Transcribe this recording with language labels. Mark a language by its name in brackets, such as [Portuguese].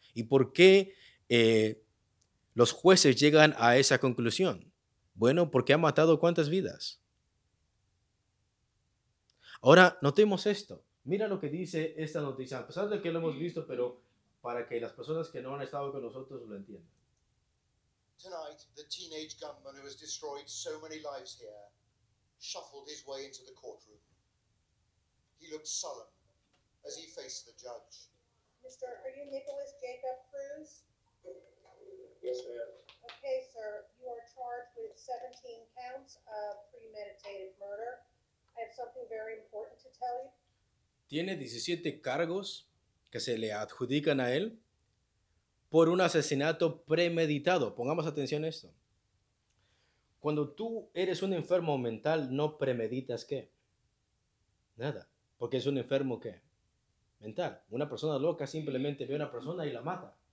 [Spanish] ¿Y por qué los jueces llegan a esa conclusión? Bueno, porque ha matado ¿cuántas vidas? Ahora, notemos esto. Mira lo que dice esta noticia. A pesar de que lo hemos visto, pero para que las personas que no han estado con nosotros lo entiendan. [English] Tonight, the teenage gunman who has destroyed so many lives here shuffled his way into the courtroom. He looked sullen as he faced the judge. Mr., are you Nicholas Jacob Cruz? Yes, ma'am. Okay, sir, you are charged with 17 counts of premeditated murder. I have something very important to tell you. [Spanish] Tiene 17 cargos que se le adjudican a él por un asesinato premeditado. Pongamos atención a esto. Cuando tú eres un enfermo mental, ¿no premeditas qué? Nada. Porque es un enfermo, ¿qué? Mental. Una persona loca simplemente ve a una persona y la mata.